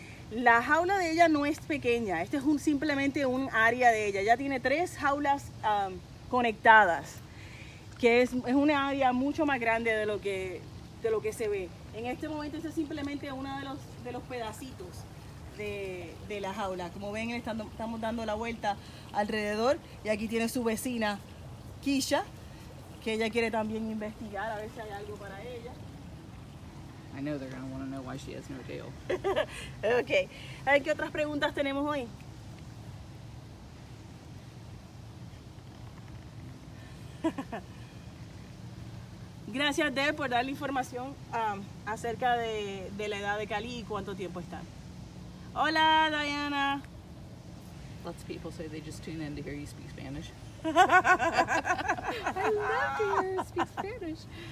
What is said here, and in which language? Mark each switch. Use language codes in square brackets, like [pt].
[es] La jaula de ella no es pequeña, este es simplemente un área de ella. Ella tiene tres jaulas conectadas, que es un área mucho más grande de lo que se ve. En este momento este es simplemente uno de los pedacitos de la jaula. Como ven, estamos dando la vuelta alrededor y aquí tiene su vecina, Keisha, que ella quiere también investigar a ver si hay algo para ella. [en] I know they're going to want to know why she has no tail. [es] Okay. A ver, ¿qué otras preguntas tenemos hoy? Gracias, Deb, por dar la información acerca de la edad de Cali y cuánto tiempo están. Hola, Diana. [en] Lots of people say they just tune in to hear you speak Spanish. I love to hear you speak Spanish.